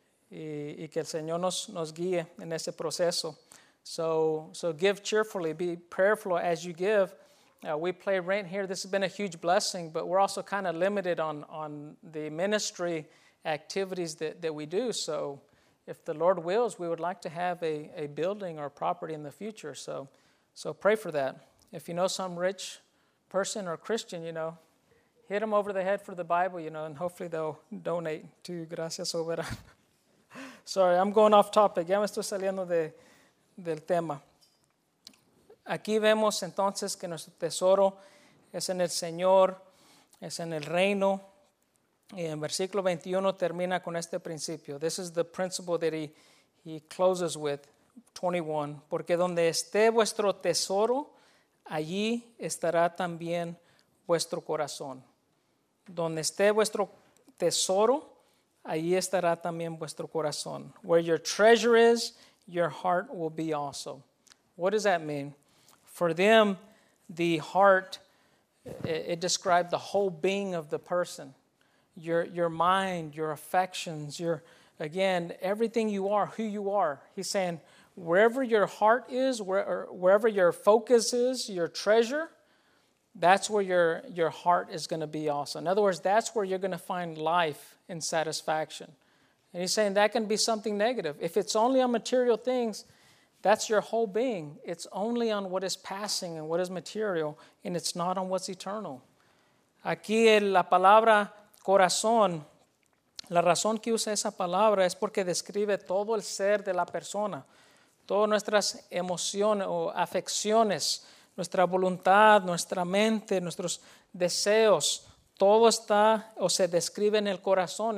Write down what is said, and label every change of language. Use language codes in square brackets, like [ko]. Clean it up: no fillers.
[es] Y que el Señor nos guíe en ese proceso. [en] So give cheerfully, be prayerful as you give. We pay rent here. This has been a huge blessing, but we're also kind of limited on the ministry activities that we do. So if the Lord wills, we would like to have a building or property in the future. So pray for that. If you know some rich person or Christian, hit them over the head for the Bible, and hopefully they'll donate to Gracias Soberana. Sorry, I'm going off topic. [es] Ya me estoy saliendo del tema. Aquí vemos entonces que nuestro tesoro es en el Señor, es en el reino. Y en versículo 21 termina con este principio. [en] This is the principle that he closes with, 21. [es] Porque donde esté vuestro tesoro, allí estará también vuestro corazón. Donde esté vuestro tesoro, allí estará también vuestro corazón. [en] Where your treasure is, your heart will be also. What does that mean? For them, the heart, it described the whole being of the person. Your mind, your affections, everything you are, who you are. He's saying, wherever your heart is, wherever your focus is, your treasure, that's where your heart is going to be also. In other words, that's where you're going to find life and satisfaction. And he's saying that can be something negative. If it's only on material things, that's your whole being. It's only on what is passing and what is material, and it's not on what's eternal. [es] Aquí la palabra corazón, la razón que usa esa palabra es porque describe todo el ser de la persona, todas nuestras emociones o afecciones, nuestra voluntad, nuestra mente, nuestros deseos, todo está o se describe en el corazón.